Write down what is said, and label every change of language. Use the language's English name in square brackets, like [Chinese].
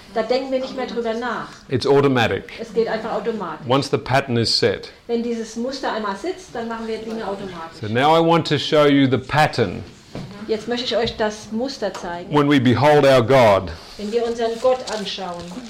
[German] Da denken wir nicht mehr drüber nach. [English] It's automatic. [German] Es geht einfach automatisch. [English] Once the pattern is set. [German] Wenn dieses Muster einmal sitzt, dann machen wir Dinge automatisch. [English] So now I want to show you the pattern. [German] Jetzt möchte ich euch das Muster zeigen. [English] When we behold our God. [German] Wenn wir unseren Gott anschauen.